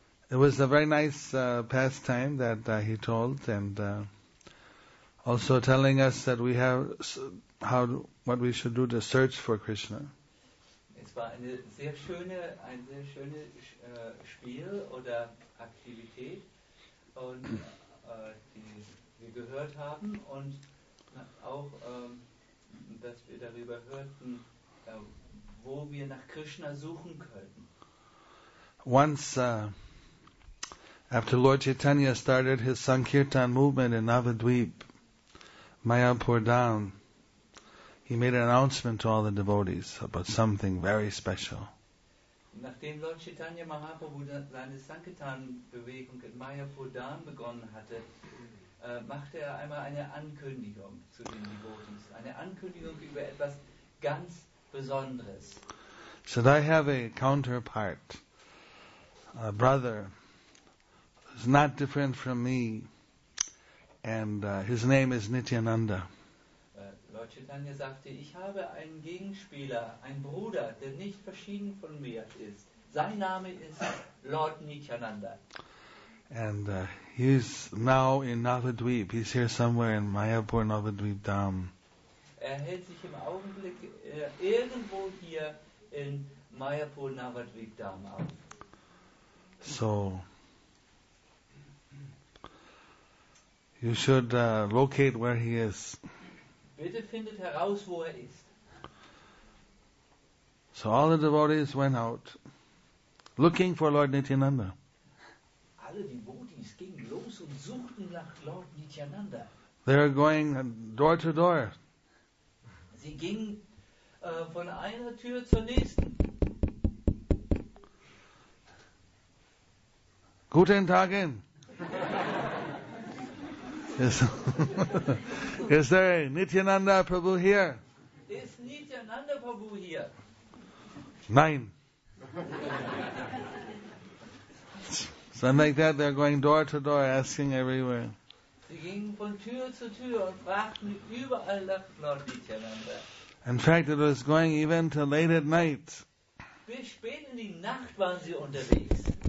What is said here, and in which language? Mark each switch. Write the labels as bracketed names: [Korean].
[English] It was a very nice pastime that he told, and also telling us that we have what we should do to search for Krishna. [German] Es war ein sehr schönes Spiel oder Aktivität, und die wir gehört haben, und auch dass wir darüber hörten, wo wir nach Krishna suchen könnten. [English] Once after Lord Chaitanya started his Sankirtan movement in Navadvip, Mayapur Dham, he made an announcement to all the devotees about something very special. [German] Nachdem Lord Chaitanya Mahaprabhu seine Sankirtan-Bewegung in Mayapur Dham begonnen hatte, machte er einmal eine Ankündigung zu den Devotees, eine Ankündigung über etwas ganz Besonderes. [English] So I have a counterpart, a brother, who's not different from me, and his name is Nityananda. [German] Lord Chaitanya sagte, ich habe einen Gegenspieler, einen Bruder, der nicht verschieden von mir ist. Sein Name ist Lord Nityananda. [English] And he's now in Navadvip. He's here somewhere in Mayapur Navadvip Dham. [German] Er hält sich im Augenblick irgendwo hier in Mayapur Navadvip Dham auf. [English] So you should locate where he is. [German] Bitte findet heraus, wo er ist. [English] So all the devotees went out looking for Lord Nityananda. [German] Alle Devotees gingen los und suchten nach Lord Nityananda. [English] They were going door to door. [German] Sie gingen von einer Tür zur nächsten. Guten Tag. [English] Is, is there Nityananda Prabhu here? Is Nityananda Prabhu here? [German] Nein. [English] So like that, they're going door to door, asking everywhere. [German] Sie gingen von Tür zu Tür und fragten überall nach Lord Nityananda. [English] In fact, it was going even to late at night. [German] Bis spät in die Nacht waren sie unterwegs.